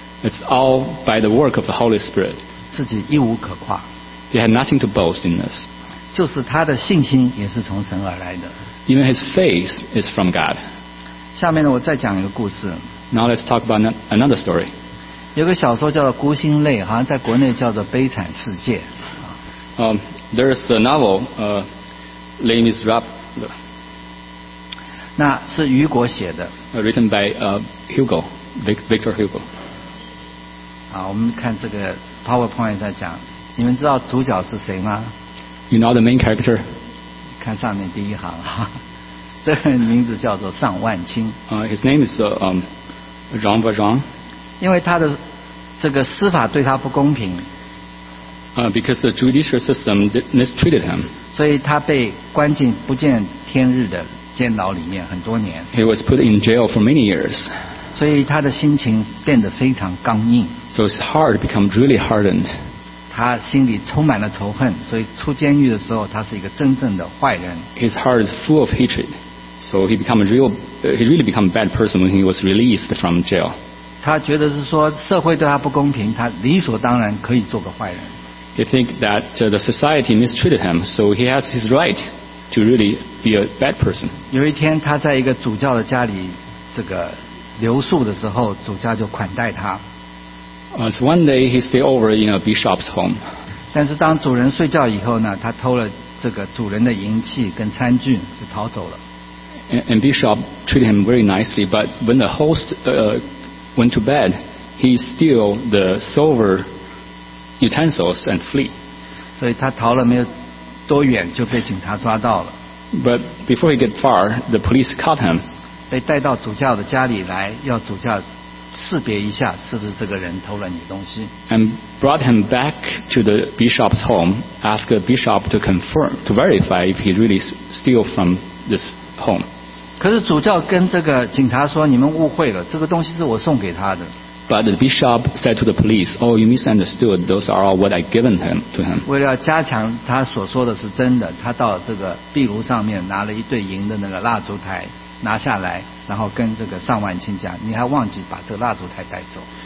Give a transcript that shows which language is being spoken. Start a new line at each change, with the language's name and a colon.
English: It's all by the work of the Holy Spirit.
Chinese: 自己一无可夸。
English: He had nothing to boast in this.
Chinese: 就是他的信心也是从神而来的。
English: Even his faith is from God.
Chinese: 下面呢，我再讲一个故事。
English: Now let's talk about another story.
Chinese: 有个小说叫做《孤星泪》，好像在国内叫做《悲惨世界》。
English: There's a novel, Les Misérables.
Chinese: 那是雨果写的。
English: Written by Hugo, Victor Hugo.
Chinese: 好，我们看这个 PowerPoint 在讲，你们知道主角是谁吗？
English: You know the main character?
Chinese: 看上面第一行，这个名字叫做尚万清。
English: His name is Jean Valjean.
Chinese: 因为他的这个司法对他不公平。
English: Because the judicial system mistreated him.
Chinese: 所以他被关进不见天日的监牢里面很多年。
English: He was put in jail for many years.
Chinese: 所以他的心情变得非常刚硬。
English: So his heart become really hardened.
Chinese: 他心里充满了仇恨，所以出监狱的时候，他是一个真正的坏人。
English: His heart is full of hatred, so he become a real, he really become a bad person when he was released from jail.
Chinese: 他觉得是说社会对他不公平，他理所当然可以做个坏人。
English: He think that the society mistreated him, so he has his right to really be a bad person.
Chinese: 有一天，他在一个主教的家里，这个。留宿的时候，主教就款待他。
English: So one day he stayed over in a bishop's home.
Chinese: 但是当主人睡觉以后呢，他偷了这个主人的银器跟餐具，就逃走了。
English: And bishop treated him very nicely, but when the host went to bed, he steal the silver utensils and flee.
Chinese: 所以他逃了没有多远，就被警察抓到了。
English: But before he get far, the police caught him.
Chinese: 被带到主教的家里来，要主教识别一下是不是这个人偷了你东西。
English: And brought him back to the bishop's home, asked the bishop to confirm, to verify if he really steal from this home.
Chinese: 可是主教跟这个警察说：“你们误会了，这个东西是我送给他的。”
English: But the bishop said to the police, "Oh, you misunderstood. Those are all what I given him to him."
Chinese: 为了加强他所说的是真的，他到这个壁炉上面拿了一对银的那个蜡烛台。拿下来，然后跟这个尚万清讲，你还忘记把这个蜡烛台带走。